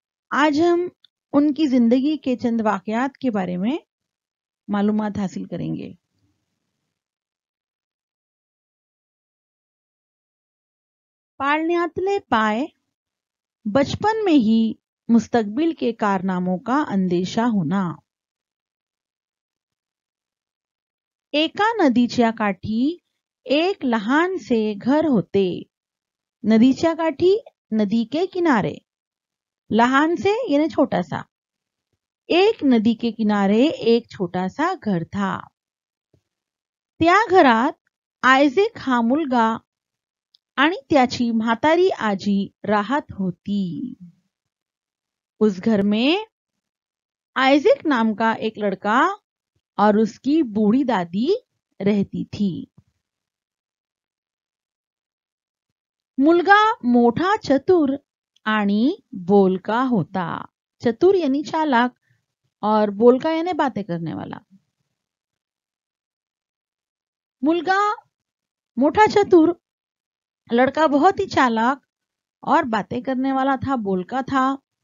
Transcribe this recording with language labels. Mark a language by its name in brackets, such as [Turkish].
[Hindi] आज हम उनकी जिंदगी के चंद वाकयात के बारे में मालूमात हासिल करेंगे। [Marathi] पाळण्यातले पाय [Hindi] बचपन में ही मुस्तकबिल के कारनामों का अंदेशा होना। [Marathi] एका नदीच्या काठी एक लहान से घर होते। नदीच्या काठी [Hindi] नदी के किनारे, लहान से यानी छोटा सा, एक नदी के किनारे एक छोटा सा घर था। [Marathi] त्या घरात आयझॅक हा मुलगा आणि त्याची म्हातारी आजी राहत होती। [Hindi] उस घर में आइजेक नाम का एक लड़का और उसकी बूढ़ी दादी रहती थी। [Marathi] मुलगा मोटा चतुर आणि बोलका होता। [Hindi] चतुर यानी चालाक और बोलका यानी बातें करने वाला। [Marathi] मुलगा मोटा चतुर [Hindi] लड़का बहुत ही चालाक और बातें करने वाला था, बोलका था।